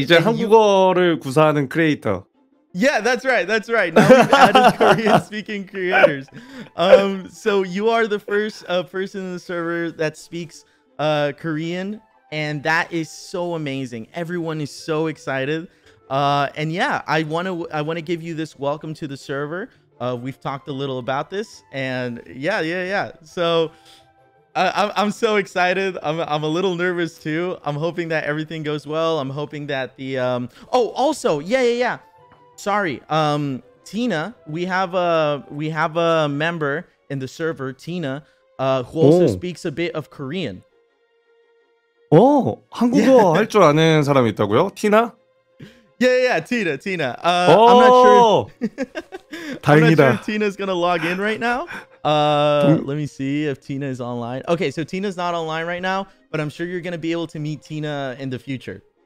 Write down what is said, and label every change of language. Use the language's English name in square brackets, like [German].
[Korean] 이제 한국어를 구사하는 크리에이터. [English] Yeah, that's right. Now we've added Korean-speaking creators. So you are the first person in the server that speaks Korean, and that is so amazing. Everyone is so excited. And yeah, I want to give you this welcome to the server. We've talked a little about this, and yeah. So I'm so excited. I'm a little nervous too. I'm hoping that everything goes well. I'm hoping that the also. Sorry, Tina, we have a member in the server, Tina, who also speaks a bit of Korean. [Korean] Oh, 한국어 할 줄 아는 사람이 있다고요? [English] Tina? Yeah, Tina. I'm not sure. [Korean] 다행이다. [English] I'm not sure if Tina's going to log in right now. let me see if Tina is online. Okay, so Tina's not online right now, but I'm sure you're going to be able to meet Tina in the future.